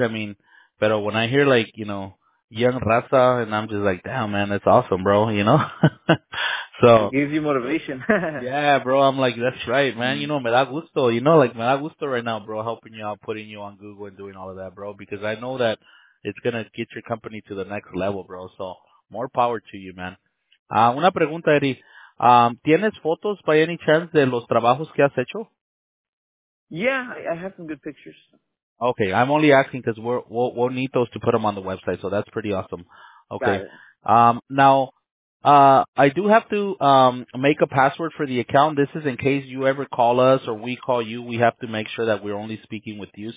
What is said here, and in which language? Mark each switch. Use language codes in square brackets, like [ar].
[en] I mean, but when I hear, like, you know, young raza, and I'm just like, damn, man, that's awesome, bro, you know? So it gives you motivation. Yeah, bro, I'm like, that's right, man. You know, [es] me da gusto. [en] You know, like, [es] me da gusto [en] right now, bro, helping you out, putting you on Google and doing all of that, bro, because I know that it's going to get your company to the next level, bro. So more power to you, man. [es] Una pregunta, [en] Eddie. [es] ¿Tienes fotos, [en] by any chance, [es] de los trabajos que has hecho? [en] Yeah, I have some good pictures. Okay, I'm only asking because we'll need those to put them on the website, so that's pretty awesome. Okay. Now, I do have to make a password for the account. This is in case you ever call us or we call you. We have to make sure that we're only speaking with you.